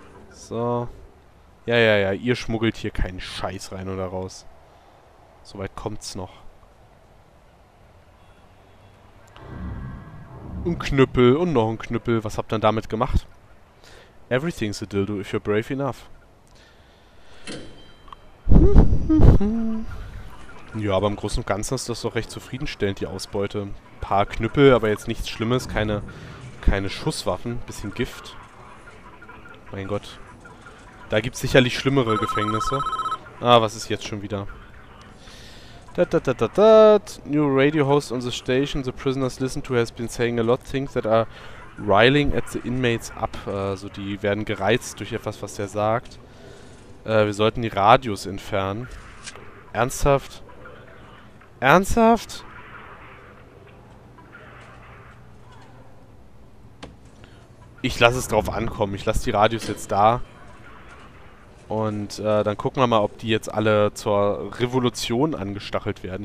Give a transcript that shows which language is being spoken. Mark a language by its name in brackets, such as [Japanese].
[German] So. Ja, ihr schmuggelt hier keinen Scheiß rein oder raus. Soweit kommt's noch. Ein Knüppel und noch ein Knüppel. Was habt ihr denn damit gemacht? [English] Everything's a dildo if you're brave enough. [German] Ja, aber im Großen und Ganzen ist das doch recht zufriedenstellend, die Ausbeute. Ein paar Knüppel, aber jetzt nichts Schlimmes. Keine Schusswaffen. Bisschen Gift. Mein Gott. Da gibt es sicherlich schlimmere Gefängnisse. Ah, was ist jetzt schon wieder? [English] New radio host on the station. The prisoners listen to has been saying a lot of things that are riling at the inmates up. [German] Also die werden gereizt durch etwas, was der sagt. Wir sollten die Radios entfernen. Ernsthaft? Ernsthaft? Ich lasse es drauf ankommen. Ich lasse die Radios jetzt da. Und dann gucken wir mal, ob die jetzt alle zur Revolution angestachelt werden.